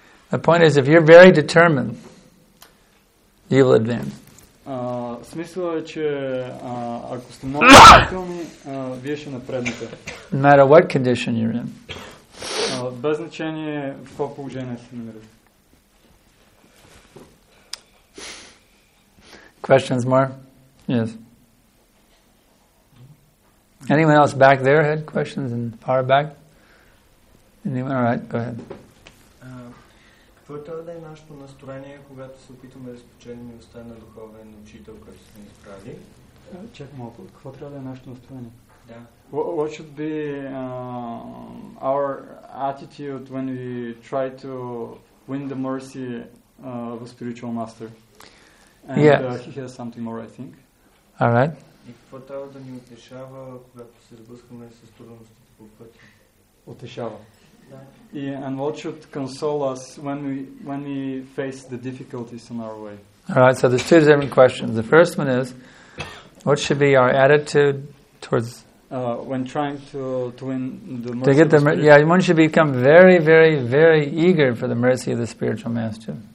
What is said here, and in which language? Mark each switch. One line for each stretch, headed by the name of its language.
English: The point is, if you're very determined, you will advance.
Bulgarian: Смисъл е, че ако сте много решителни, вие ще напреднете.
English: No matter what condition you're in.
Bulgarian: Без значение в какво положение се намирате.
English: Questions more? Yes. Anyone else back there had questions in the far back? Anyone? All right, go ahead.
Bulgarian: Какво е нашето настроение, когато се опитваме да спечелим милостта на духовен учител, който сме избрали? Чакай малко. Какво трябва да е нашето настроение? Да.
English: What should be our attitude when we try to win the mercy of a spiritual master? And yes. He has something more, I think. All right.
Bulgarian: И какво трябва да ни утешава, когато се сблъскваме с трудностите по пътя? Утешава. Да.
English: And what should console us when we face the difficulties in our way? All right, so there's two different questions. The first one is, what should be our attitude towards... When trying to win the mercy to get the spirit. Yeah, one should become very, very, very eager for the mercy of the spiritual master.